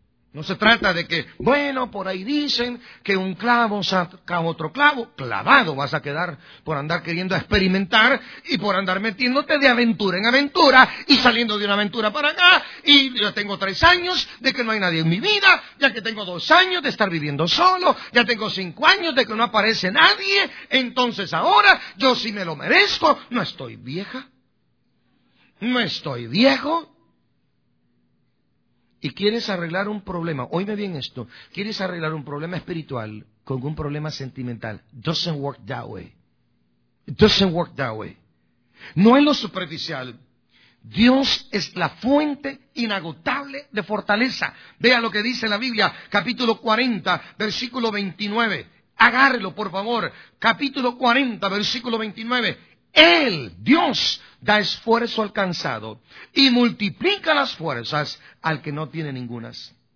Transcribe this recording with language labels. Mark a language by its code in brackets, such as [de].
[es] No se trata de que, bueno, por ahí dicen que un clavo saca otro clavo, clavado vas a quedar por andar queriendo experimentar y por andar metiéndote de aventura en aventura y saliendo de una aventura para acá, y ya tengo 3 años de que no hay nadie en mi vida, ya que tengo 2 años de estar viviendo solo, ya tengo 5 años de que no aparece nadie, entonces ahora yo sí me lo merezco, no estoy vieja, no estoy viejo. Y quieres arreglar un problema, óyeme bien esto, quieres arreglar un problema espiritual con un problema sentimental. [en] Doesn't work that way. Doesn't work that way. [es] No es lo superficial. Dios es la fuente inagotable de fortaleza. Vea lo que dice la Biblia, capítulo 40, versículo 29. Agárrelo, por favor. Capítulo 40, versículo 29. Él, Dios, da esfuerzo al cansado y multiplica las fuerzas al que no tiene ningunas.